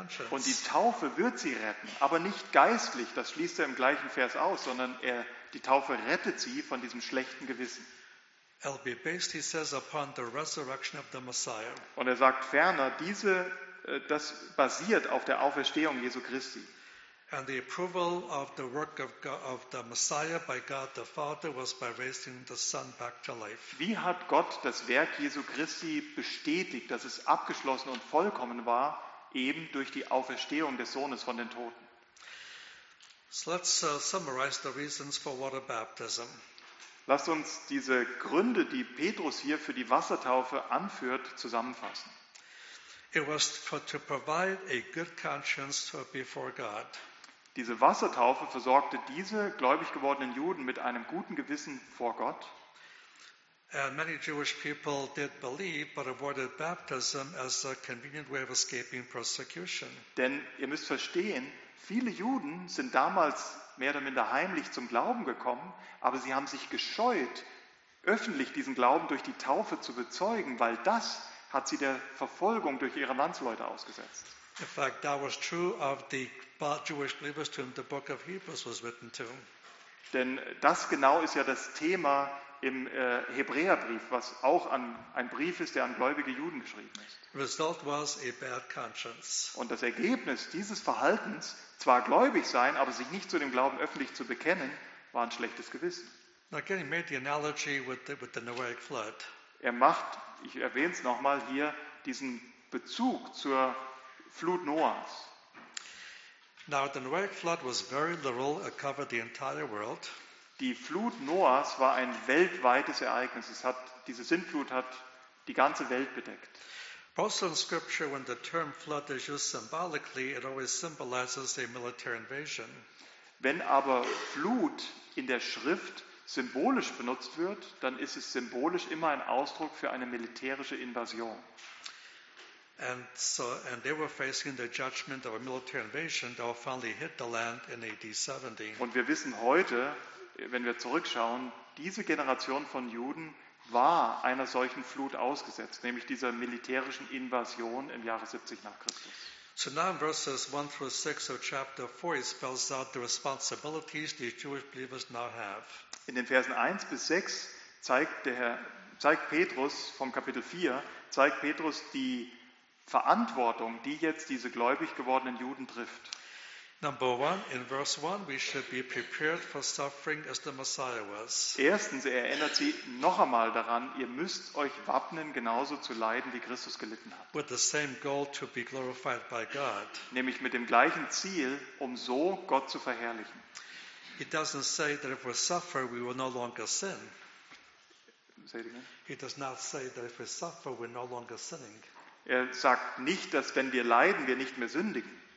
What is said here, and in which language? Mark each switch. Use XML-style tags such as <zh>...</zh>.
<de>Und die Taufe wird sie retten, aber nicht geistlich, das schließt er im gleichen Vers aus, sondern die Taufe rettet sie von diesem schlechten Gewissen. Und er sagt ferner, das basiert auf der Auferstehung Jesu Christi.</de> <en>And the approval of the work of God, of the Messiah by God the Father was by raising the Son back to life.</en> <de>Wie hat Gott das Werk Jesu Christi bestätigt, dass es abgeschlossen und vollkommen war, eben durch die Auferstehung des Sohnes von den Toten?</de> <en>So let's summarize the reasons for water baptism.</en> <de>Lasst uns diese Gründe, die Petrus hier für die Wassertaufe anführt, zusammenfassen.</de> <en>It was to provide a good conscience before God.</en> <de>Diese Wassertaufe versorgte diese gläubig gewordenen Juden mit einem guten Gewissen vor Gott.</de> <en>And many Jewish people did believe, but avoided baptism as a convenient way of escaping persecution.</en> <de>Denn ihr müsst verstehen, viele Juden sind damals mehr oder minder heimlich zum Glauben gekommen, aber sie haben sich gescheut, öffentlich diesen Glauben durch die Taufe zu bezeugen, weil das hat sie der Verfolgung durch ihre Landsleute ausgesetzt.</de> <en>In fact, that was true of the Jewish believers to whom the book of Hebrews was written to.</en> <de>Denn das genau ist ja das Thema im Hebräerbrief, was auch an ein Brief ist, der an gläubige Juden geschrieben ist.</de> <en>Result was a bad conscience.</en> <de>Und das Ergebnis dieses Verhaltens, zwar gläubig sein, aber sich nicht zu dem Glauben öffentlich zu bekennen, war ein schlechtes Gewissen.</de> <en>Again, he made the analogy with the Noahic flood.</en> <de>Er macht, ich erwähne es nochmal hier, diesen Bezug zur Flut Noahs.</de> <en>Now the Noahic flood was very literal, it covered the entire world.</en> <de>Die Flut Noahs war ein weltweites Ereignis. Es hat, diese Sintflut hat die ganze Welt bedeckt.</de> <en>Also in Scripture, when the term flood is used symbolically, it always symbolizes a military invasion.</en> <de>Wenn aber Flut in der Schrift symbolisch benutzt wird, dann ist es symbolisch immer ein Ausdruck für eine militärische Invasion.</de> <en>And they were facing the judgment of a military invasion that finally hit the land in AD 70.</en> <de>Und wir wissen heute, wenn wir zurückschauen, diese Generation von Juden war einer solchen Flut ausgesetzt, nämlich dieser militärischen Invasion im Jahre 70 nach Christus.</de> <en>So now in verses 1 through 6 of chapter 4, he spells out the responsibilities these Jewish believers now have.</en> <de>In den Versen 1 bis 6 zeigt Petrus die Verantwortung, die jetzt diese gläubig gewordenen Juden trifft.</de> <en>Number one, in verse one, we should be prepared for suffering as the Messiah was.</en> <de>Erstens, er erinnert sie noch einmal daran, ihr müsst euch wappnen, genauso zu leiden, wie Christus gelitten hat.</de> <en>With the same goal to be glorified by God.</en> <de>Nämlich mit dem gleichen Ziel, um so Gott zu verherrlichen.</de> <en>He doesn't say that if we suffer, we will no longer sin. Say it again. He does not say that if we suffer, we're no longer sinning.</en> <de>Er sagt nicht, dass wenn wir leiden, wir nicht mehr sündigen.</de>